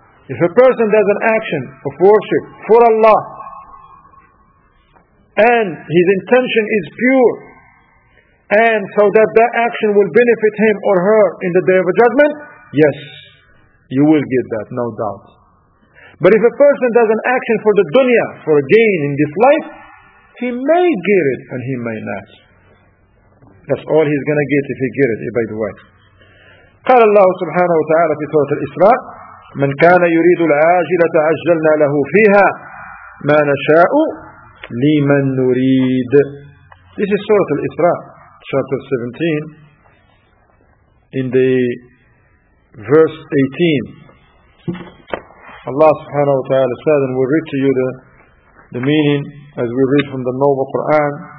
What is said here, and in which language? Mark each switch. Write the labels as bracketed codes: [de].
[en] If a person does an action of worship for Allah, and his intention is pure, and so that action will benefit him or her in the Day of Judgment, yes, you will get that, no doubt. But if a person does an action for the dunya, for a gain in this life, he may get it and he may not. That's all he's going to get if he get it, by the way. [ar] قال الله سبحانه وتعالى في سورة الإسراء من كان يريد العاجلة عجلنا له فيها ما نشاء لمن نريد. [en] This is سورة الإسراء, chapter 17, in the verse 18. Allah subhanahu wa ta'ala said, and we'll read to you the meaning as we read from the Noble Quran.